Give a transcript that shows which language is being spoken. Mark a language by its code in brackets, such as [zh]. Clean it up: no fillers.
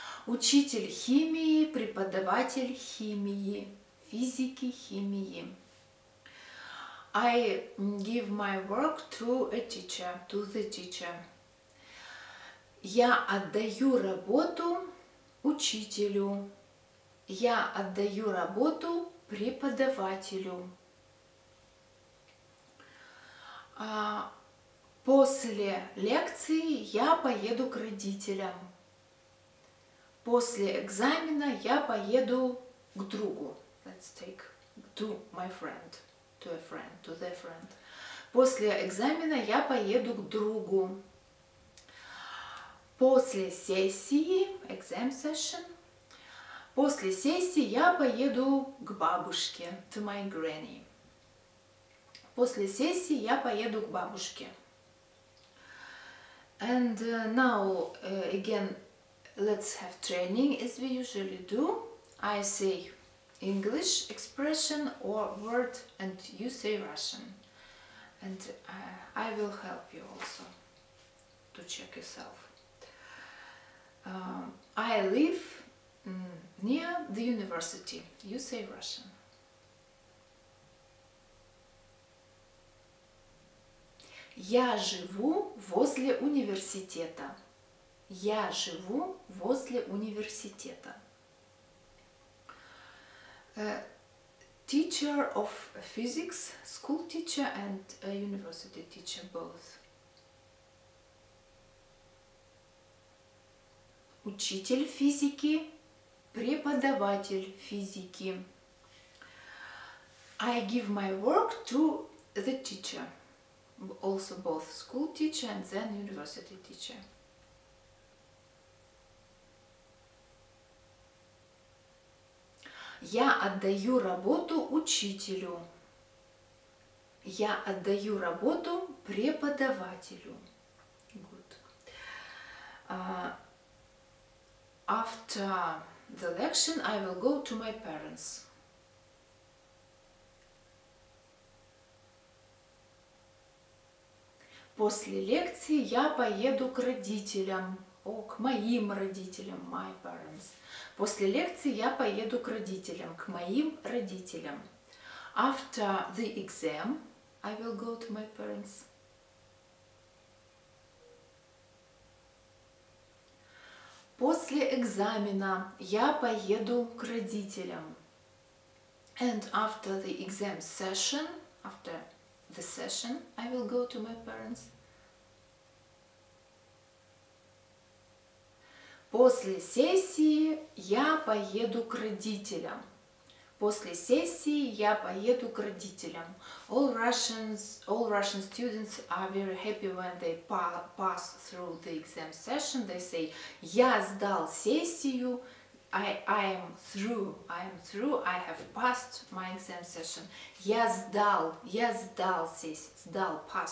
[ru] Учитель химии, преподаватель химии, физики, химии. [en] I give my work to a teacher, to the teacher. [ru] Я отдаю работу учителю. Я отдаю работу преподавателю. После лекции я поеду к родителям. После экзамена я поеду к другу. [en] Let's take to my friend, to a friend, to their friend. [ru] После экзамена я поеду к другу. После сессии, exam session. После сессии я поеду к бабушке, [en] to my granny. [ru] После сессии я поеду к бабушке. [en] And now, again, let's have training as we usually do. I say English expression or word and you say Russian. And I will help you also to check yourself. I live near the university. You say Russian. [ru] Я живу возле университета. Я живу возле университета. [en] Teacher of physics, school teacher and a university teacher both. [ru] Учитель физики, преподаватель физики. [en] I give my work to the teacher. Also both school teacher and then university teacher. [ru] Я отдаю работу учителю. Я отдаю работу преподавателю. [en] Good. After the lecture, I will go to my parents. [ru] После лекции я поеду к родителям. О, к моим родителям, [en] my parents. [ru] После лекции я поеду к родителям, к моим родителям. [en] After the exam, I will go to my parents. [ru] После экзамена я поеду к родителям. [en] And after the exam session, after the session, I will go to my parents. [ru] После сессии я поеду к родителям. После сессии я поеду к родителям. [en] All Russian students are very happy when they pass through the exam session. They say, [ru] я сдал сессию. [en] I am through. I have passed my exam session. [ru] Я сдал сессию.